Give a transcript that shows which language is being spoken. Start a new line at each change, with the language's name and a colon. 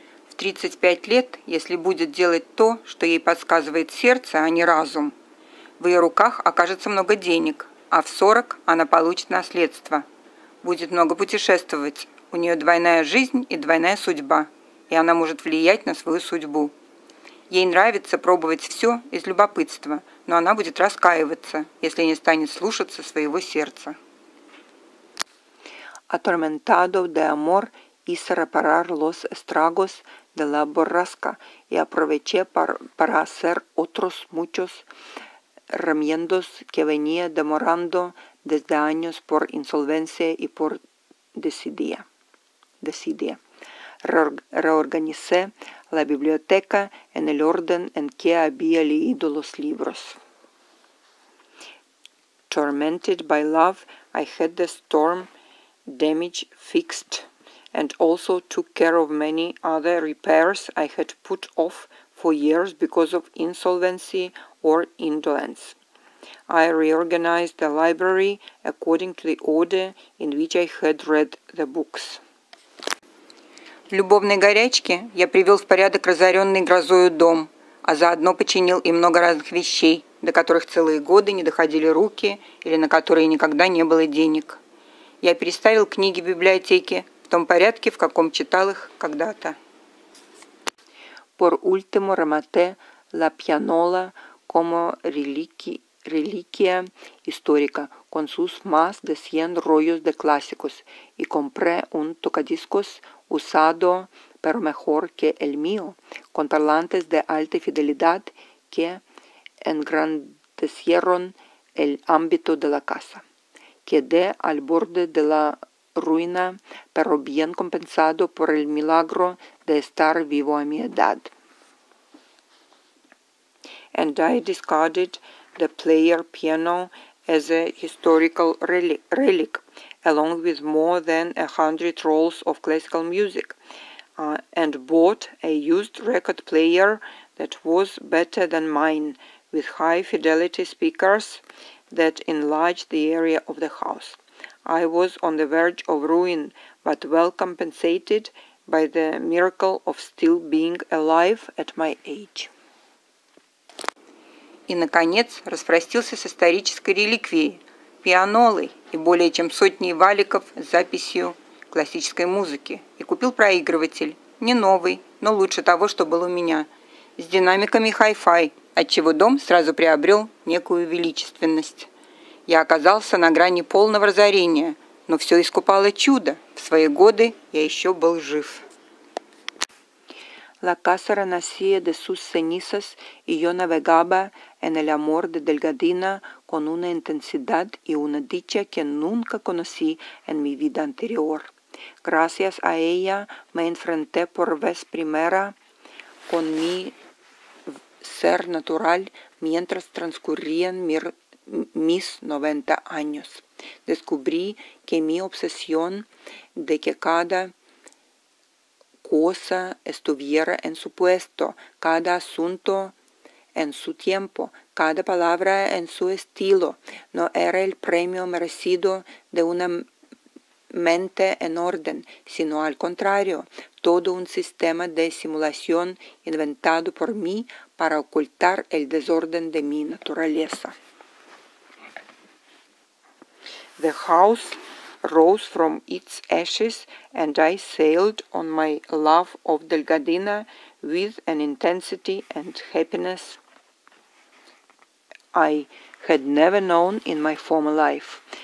Russian: В 35 лет, если будет делать то, что ей подсказывает сердце, а не разум, в ее руках окажется много денег, а в 40 она получит наследство. Будет много путешествовать, у нее двойная жизнь и двойная судьба, и она может влиять на свою судьбу. Ей нравится пробовать все из любопытства, но она будет раскаиваться, если не станет слушаться своего сердца.
Spanish: Atormentado de amor, hice reparar los estragos de la borrasca y aproveché para hacer otros muchos remiendos que venía demorando desde años por insolvencia y por desidia. Reorganicé la biblioteca en el orden en que había leído los libros.
English: Tormented by love, I had the storm damage fixed and also took care of many other repairs I had put off for years because of insolvency or indolence. I reorganized the library according to the order in which I had read the books.
Russian: В любовной горячке я привел в порядок разоренный грозою дом, а заодно починил и много разных вещей, до которых целые годы не доходили руки или на которые никогда не было денег. Я переставил книги в библиотеке в том порядке, в каком читал их когда-то.
Spanish: Por último remate la pianola como reliquia histórica con sus más de 100 rollos de clásicos y compré un tocadiscos usado pero mejor que el mío con parlantes de alta fidelidad que engrandecieron el ámbito de la casa. Quedé al borde de la ruina, pero bien compensado por el milagro de estar vivo a mi edad.
English: And I discarded the player piano as a historical relic, along with more than 100 rolls of classical music, and bought a used record player that was better than mine, with high fidelity speakers that enlarged the area of the house. I was on the verge of ruin, but well compensated by the miracle of still being alive at my age.
Russian: И, наконец, распростился с исторической реликвией, пианолой и более чем сотней валиков с записью классической музыки и купил проигрыватель, не новый, но лучше того, что был у меня, с динамиками хай-фай, отчего дом сразу приобрел некую величественность. Я оказался на грани полного разорения, но все искупало чудо. В свои годы я еще был жив.
Spanish: La casa renacía de sus cenizas y yo navegaba en el amor de Delgadina con una intensidad y una dicha que nunca conocí en mi vida anterior. Gracias a ella me enfrenté por vez primera con mi ser natural mientras transcurrían mis 90 años. Descubrí que mi obsesión de que cada cosa estuviera en su puesto, cada asunto en su tiempo, cada palabra en su estilo, no era el premio merecido de una mente en orden, sino al contrario, todo un sistema de simulación inventado por mí para ocultar el desorden de mi naturaleza.
English: The house rose from its ashes, and I sailed on my love of Delgadina with an intensity and happiness I had never known in my former life.